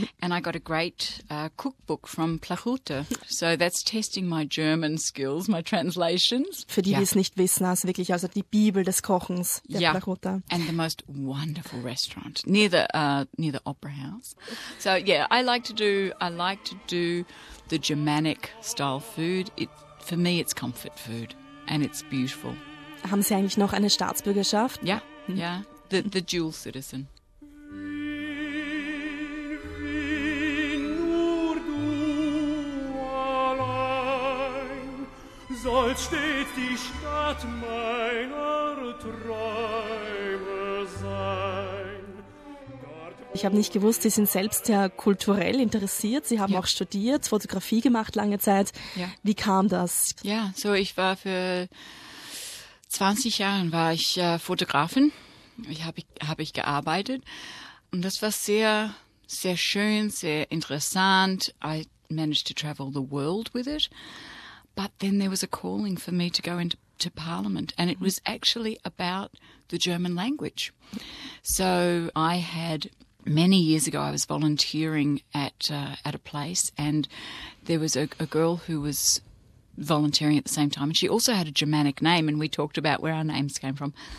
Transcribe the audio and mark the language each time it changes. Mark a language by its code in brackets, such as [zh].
[en] And I got a great cookbook from Plachute. So that's testing my German skills, my translations. [de] Für die, die es nicht wissen, also wirklich also die Bibel des Kochens der Plachute. [en] And the most wonderful restaurant near the Opera House. So yeah, I like to do the Germanic style food. It for me it's comfort food and it's beautiful. [de] Haben Sie eigentlich noch eine Staatsbürgerschaft? [en] Yeah, yeah. The dual citizen. [de] Wien, nur du allein sollst stets die Stadt meiner Träume sein. Ich habe nicht gewusst, Sie sind selbst ja kulturell interessiert. Sie haben auch studiert, Fotografie gemacht lange Zeit. Ja. Wie kam das? Ja, so ich war für 20 Jahre Fotografin. Ich habe gearbeitet. Und das war sehr, sehr schön, sehr interessant. [en] I managed to travel the world with it. But then there was a calling for me to go into Parliament. And it was actually about the German language. So I had... Many years ago, I was volunteering at a place, and there was a girl who was volunteering at the same time, and she also had a Germanic name, and we talked about where our names came from.